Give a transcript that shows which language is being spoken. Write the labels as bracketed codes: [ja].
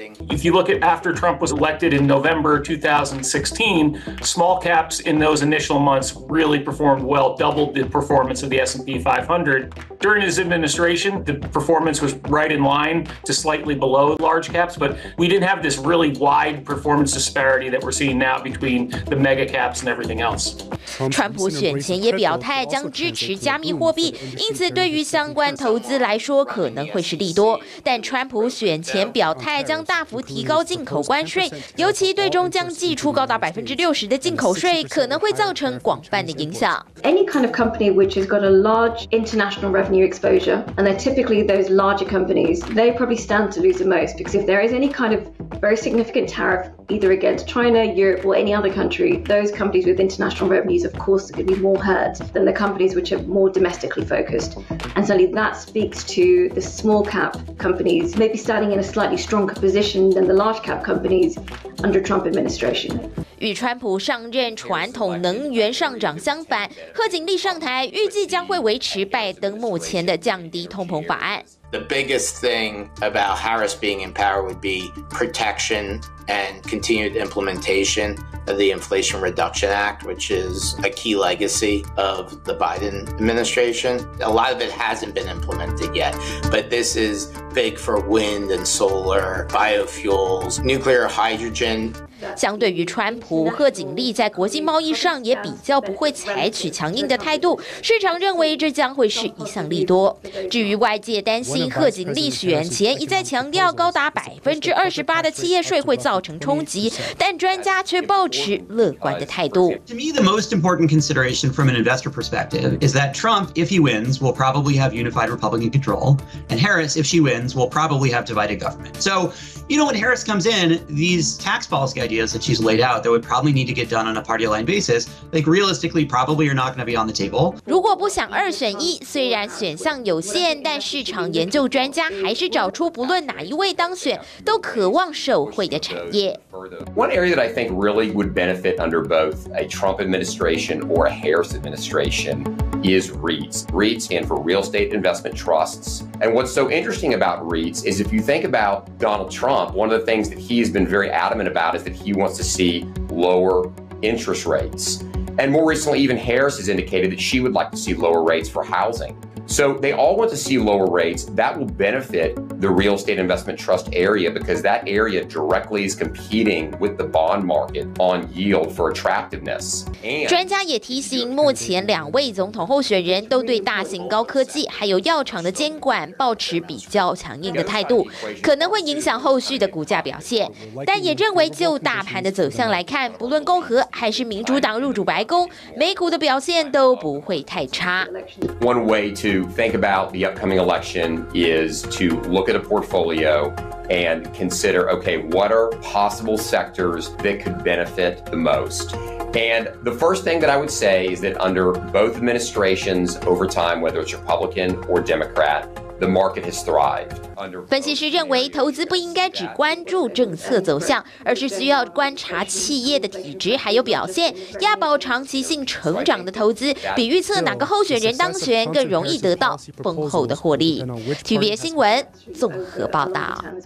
[en] If you look at after Trump was elected in November 2016, small caps in those initial months really performed well, doubled the performance of the S&P 500. During his administration, the performance was right in line to slightly below large caps, but we didn't have this really wide performance disparity that we're seeing now between the mega caps and everything else. [zh] 川普选前也表态将支持加密货币，因此对于相关投资来说可能会是利多。但川普选前表态将大幅提高进口关税，尤其对中将寄出高达60%的进口税，可能会造成广泛的影响。 [en] Any kind of company which has got a large international revenue exposure, and they're typically those larger companies, they probably stand to lose the most because if there is any kind of very significant tariff either against China, Europe, or any other country, those companies with international revenues, of course, are going to be more hurt than the companies which are more domestically focused. And certainly that speaks to the small cap companies maybe standing in a slightly stronger position than the large cap companies under Trump administration. [zh] 与川普上任传统能源上涨相反，贺锦丽上台预计将会维持拜登目前的降低通膨法案。 [en] The biggest thing about Harris being in power would be protection and continued implementation of the Inflation Reduction Act, which is a key legacy of the Biden administration. A lot of it hasn't been implemented yet, but this is big for wind and solar, biofuels, nuclear hydrogen. [zh] 相对于川普，贺锦丽在国际贸易上也比较不会采取强硬的态度，市场认为这将会是一项利多。至于外界担心贺锦丽选前一再强调高达28%的企业税会造成冲击，但专家却抱持乐观的态度。 [en] To me, the most important consideration from an investor perspective is that Trump, if he wins, will probably have unified Republican control, and Harris, if she wins, will probably have divided government. So, you know, when Harris comes in, these tax policy ideas that she's laid out that would probably need to get done on a party line basis, like realistically, probably are not going to be on the table. [zh] 如果不想二选一，虽然选项有限，但市场研究专家还是找出不论哪一位当选，都渴望受惠的产业。 [en] One area that I think really would benefit under both a Trump administration or a Harris administration is REITs. REITs stand for real estate investment trusts. And what's so interesting about REITs is if you think about Donald Trump, one of the things that he's been very adamant about is that he wants to see lower interest rates. And more recently, even Harris has indicated that she would like to see lower rates for housing. So they all want to see lower rates. That will benefit the real estate investment trust area because that area directly is competing with the bond market on yield for attractiveness. [zh] 专家也提醒，目前两位总统候选人都对大型高科技还有药厂的监管抱持比较强硬的态度，可能会影响后续的股价表现。但也认为，就大盘的走向来看，不论共和还是民主党入主白宫，美股的表现都不会太差。 [en] One way to think about the upcoming election is to look at a portfolio and consider, okay, what are possible sectors that could benefit the most? And the first thing that I would say is that under both administrations over time, whether it's Republican or Democrat,The market has thrived. [zh] 分析师认为，投资不应该只关注政策走向，而是需要观察企业的体质还有表现。押宝长期性成长的投资，比预测哪个候选人当选更容易得到丰厚的获利。 TVBS 新闻综合报道。